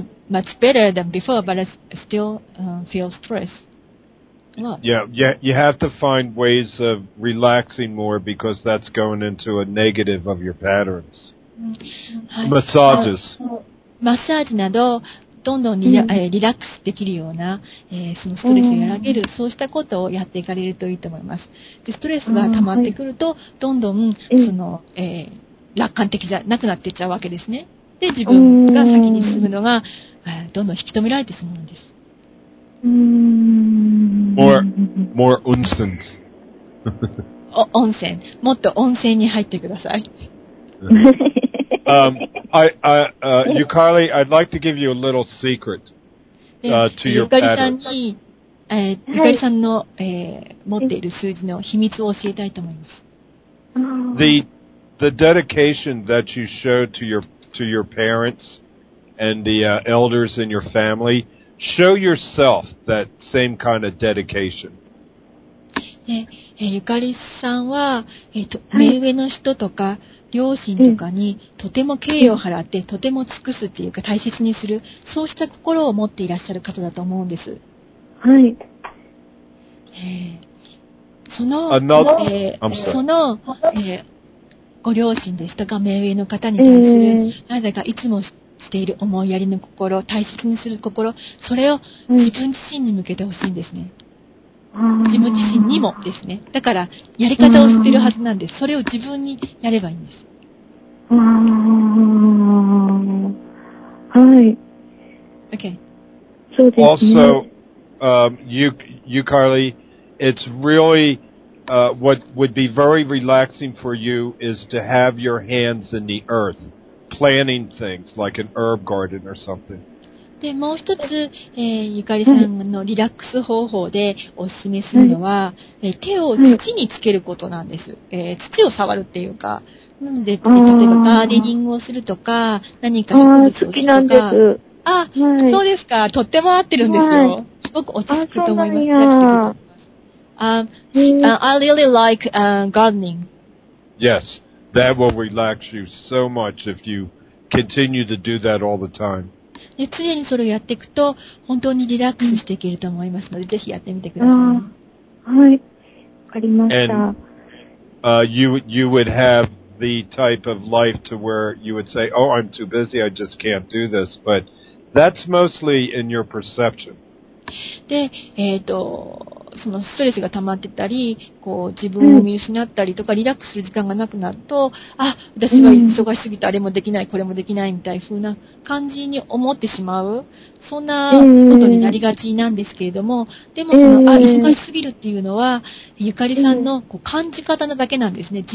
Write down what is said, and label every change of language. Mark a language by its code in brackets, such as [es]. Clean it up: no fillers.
[en] Much better than before, but I still feel stress. Yeah, you have to find ways of relaxing more because that's going into a negative of your patterns. Massages. [ja] マッサージなどどんどんリ リラックスできるような、そのストレスを和らげる、そうしたことをやっていかれるといいと思います。でストレスが溜まってくると、どんどんその、楽観的じゃなくなっていっちゃうわけですね。で、自分が先に進むのが、どんどん引き止められてしまうんです。 [en] More [ja] 温泉。温泉。もっと温泉に入ってください。 [en] Yukari, I'd like to give you a little secret to your patterns. [ja] Yukari-san の、持っている数字の秘密を教えたいと思います。 [en] The dedication that you showed to your parents and the、elders in your family, show yourself that same kind of dedication. [ja] ゆかりさんは、目上の人とか両親とかにとても敬意を払って、とても尽くすっていうか大切にする、そうした心を持っていらっしゃる方だと思うんです。はい。その、ご両親ですとか目上の方に対する、なぜかいつもしている思いやりの心、大切にする心、それを自分自身に向けてほしいんですね。自分自身にもですね。だから、やり方を知ってるはずなんです、それを自分にやればいいんです。はい。 [en] Okay. [ja] そうですね。 [en] Also, Yukari, it's really, what would be very relaxing for you is to have your hands in the earth, planting things like an herb garden or something. [ja] で、もう一つ、ゆかりさんのリラックス方法でおすすめするのは、手を土につけることなんです。土を触るっていうか、なので、例えばガーデニングをするとか、何か植物をするとか。好きなんです。あ、はい、そうですか。とっても合ってるんですよ。すごく落ち着くと思います。あ、そうなんや。 [en] I really like gardening. Yes, that will relax you so much if you continue to do that all the time. [ja] で常にそれをやっていくと本当にリラックスしていけると思いますので、ぜひやってみてください。あ、はい、わかりました。 [en] And, you would have the type of life to where you would say, oh, I'm too busy, I just can't do this. But that's mostly in your perception. [ja] で、そのストレスが溜まってたり、こう自分を見失ったりとか、リラックスする時間がなくなると、あ、私は忙しすぎて、あれもできない、これもできないみたいな風な感じに思ってしまう、そんなことになりがちなんですけれども、でもその、あ、忙しすぎるっていうのは、ゆかりさんのこう感じ方なだけなんですね。